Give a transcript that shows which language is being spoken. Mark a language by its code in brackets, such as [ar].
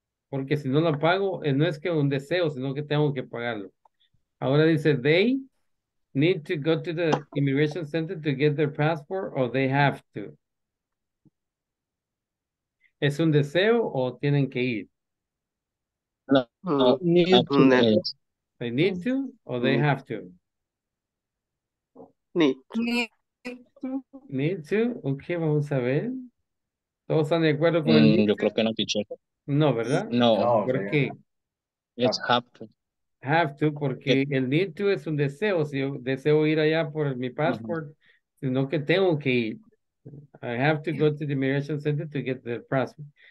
[es] Porque si no lo pago, no es que un deseo, sino que tengo que pagarlo. Ahora dice, [en] they need to go to the immigration center to get their passport or they have to. [es] ¿Es un deseo o tienen que ir? No, [en] they need to or they have to? Need to. [es] Okay, vamos a ver. ¿Todos están de acuerdo con el? Yo creo que no, teacher. No, ¿verdad? No. ¿Por qué? [en] It's have to. Have to, [es] porque el need to es un deseo. Si yo deseo ir allá por mi passport, sino que tengo que ir. [en] I have to go to the immigration center to get the passport.